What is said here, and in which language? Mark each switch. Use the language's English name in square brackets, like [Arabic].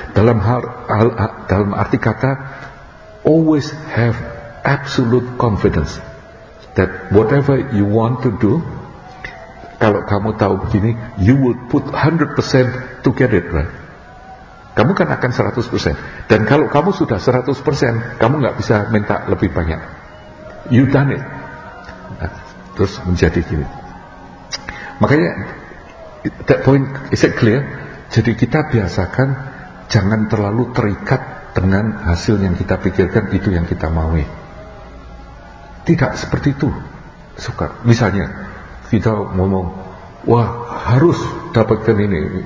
[Indonesian] Dalam hal dalam arti kata, [English] always have absolute confidence that whatever you want to do, [Indonesian] kalau kamu tahu begini, [English] you will put 100% to get it, right? [Indonesian] Kamu kan akan 100%. Dan kalau kamu sudah 100%, kamu gak bisa minta lebih banyak. [English] You done it. [Indonesian] Nah, terus menjadi gini. Makanya, [English] that point, is it clear? [Indonesian] Jadi kita biasakan, jangan terlalu terikat dengan hasil yang kita pikirkan, itu yang kita mau. Tidak seperti itu. Suka. Misalnya, kita ngomong, wah, harus dapatkan ini.